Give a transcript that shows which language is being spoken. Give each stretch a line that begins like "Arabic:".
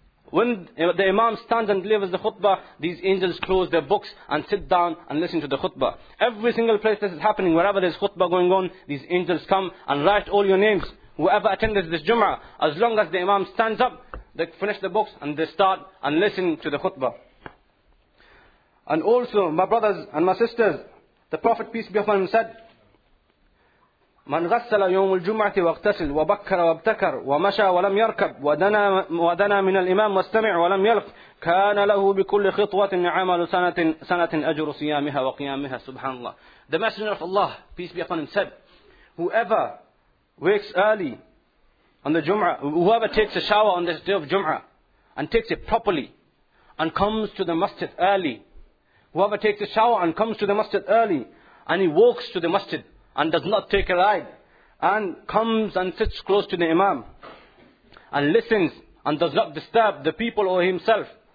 English: When the imam stands and delivers the khutbah, these angels close their books and sit down and listen to the khutbah. Every single place this is happening, wherever there is khutbah going on, these angels come and write all your names. Whoever attended this Jum'ah, as long as the imam stands up, they finish the books and they start and listen to the khutbah. And also, my brothers and my sisters, the Prophet, peace be upon him, said,
Arabic: مَنْ غَسَّلَ يَوْمُ الْجُمْعَةِ وَاغْتَسِلْ وَبَكَّرَ وَابْتَكَرْ وَمَشَى وَلَمْ يَرْكَبْ وَدَنَى مِنَ الْإِمَامِ وَاسْتَمِعْ وَلَمْ يَلْقْ كَانَ لَهُ بِكُلِّ خِطْوَةٍ عَمَلُ سَنَةٍ أَجْرُ صِيَامِهَا وَقِيَامِهَا سُبْحَانَ اللَّهِ.
English: The Messenger of Allah, peace be upon him, said, whoever wakes early on the Jum'ah, whoever takes a shower on this day of Jum'ah and takes it properly and comes to the masjid early, whoever takes a shower and comes to the masjid early and he walks to the masjid and does not take a ride and comes and sits close to the imam and listens and does not disturb the people or himself.